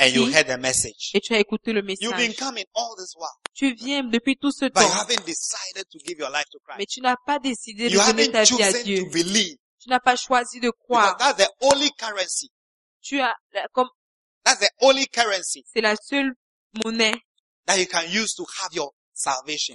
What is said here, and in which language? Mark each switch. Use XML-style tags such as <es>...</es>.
<en>And you heard the message.</en> <fr>Et tu as écouté le message.</fr> <en>You've been coming all this while.</en> <fr>Tu viens depuis tout ce</fr> <en>but</en> <fr>temps.</fr> <en>But you haven't decided to give your life to Christ.</en> <fr>Mais tu n'as pas décidé de donner ta vie à Dieu.</fr> <en>To believe.</en> <fr>Tu n'as pas choisi de croire.</fr> <en>Because that's the only currency. That's the only currency.</en> <fr>C'est la seule monnaie</fr> <en>that you can use to have your salvation.</en>